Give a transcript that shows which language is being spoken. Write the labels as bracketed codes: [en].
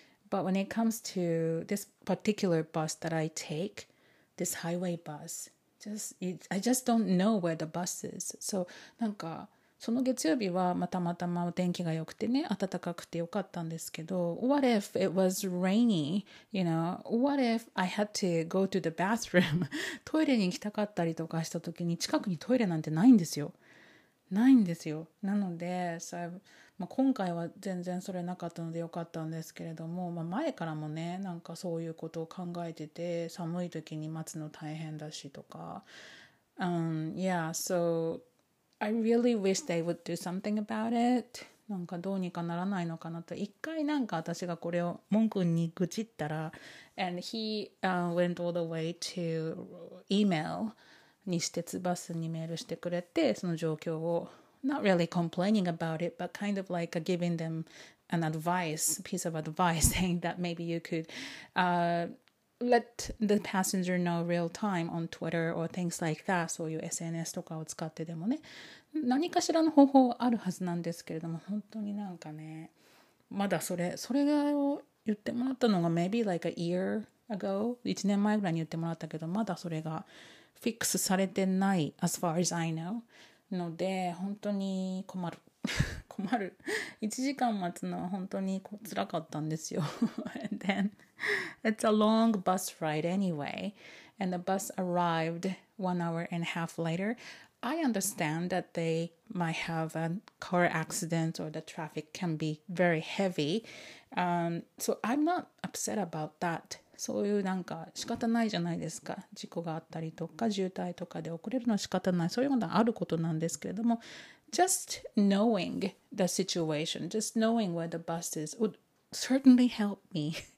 [en] But when it comes to this particular bus that I take, this highway bus,I just don't know where the bus is. [ja] So, なんかその月曜日はまたまたまお天気が良くてね、暖かくて良かったんですけど、 [en] What if it was rainy? You know, what if I had to go to the bathroom? [ja] トイレに行きたかったりとかした時に、近くにトイレなんてないんですよ。ないんですよ。なので、so まあ、今回は全然それなかったので良かったんですけれども、まあ、前からもね、なんかそういうことを考えてて、寒い時に待つの大変だしとか。 [en] Yeah, so I really wish they would do something about it. [ja] なんかどうにかならないのかなと。一回なんか私がこれを文君に愚痴ったら、 [en] And he went all the way to email. [ja] にしてつバスにメールしてくれて、その状況を [en] not really complaining about it, but kind of like giving them an advice, piece of advice, saying that maybe you could let the passenger know real time on Twitter or things like that. [ja] そういう SNS とかを使ってでもね、何かしらの方法あるはずなんですけれども、本当になんかね、まだそれが言ってもらったのが [en] maybe like a year ago [ja] 1年前ぐらいに言ってもらったけど、まだそれがフィックスされてない [en] as far as I know [ja] ので、本当に困る困る1時間待つのは本当に辛かったんですよ [en] And then it's a long bus ride anyway and the bus arrived 1.5 hours later. I understand that they might have a car accident or the traffic can be very heavy. So I'm not upset about that. [ja] そういうなんか仕方ないじゃないですか。事故があったりとか渋滞とかで遅れるのは仕方ない。そういうことはあることなんですけれども、 [en] just knowing the situation, just knowing where the bus is would certainly help me.